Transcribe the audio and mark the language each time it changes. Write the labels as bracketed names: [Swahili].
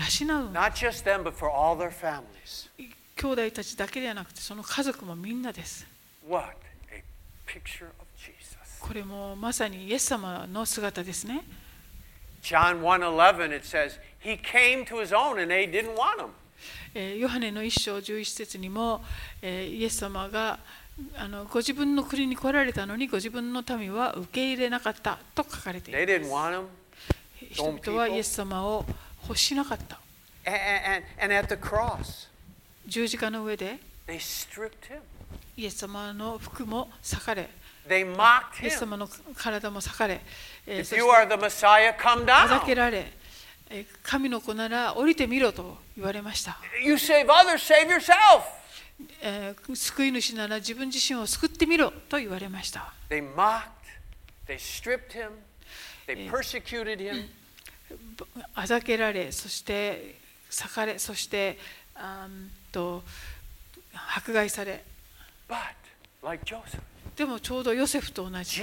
[English] Not just them, but for all their families. [Japanese] 兄弟たちだけではなくて、その家族もみんなです。 [English] What a picture of Jesus. [Japanese] これもまさにイエス様の姿ですね。 [English] John 1:11 it says, He came to his own and they didn't want him. [Japanese] ヨハネの1章11節にも、イエス様がご自分の国に来られたのにご自分の民は受け入れなかったと書かれています。 [English] They didn't want him. [Japanese] 人々はイエス様を欲しなかった。 [English] And at the cross, [Japanese] 十字架の上で [English] they stripped him. [Japanese] イエス様の服も裂かれ [English] they mocked him. [Japanese] イエス様の体も裂かれ [English] If you are the Messiah, come down. [Japanese] ふざけられ神の子なら降りてみろと言われました。 [English] You save others, save yourself. [Japanese] 救い主なら自分自身を救ってみろと言われました。 [English] They mocked, they stripped him, they persecuted him. [Japanese] あざけられそして裂かれそして迫害され。 [English] But, like Joseph, [Japanese] でもちょうどヨセフと同じ。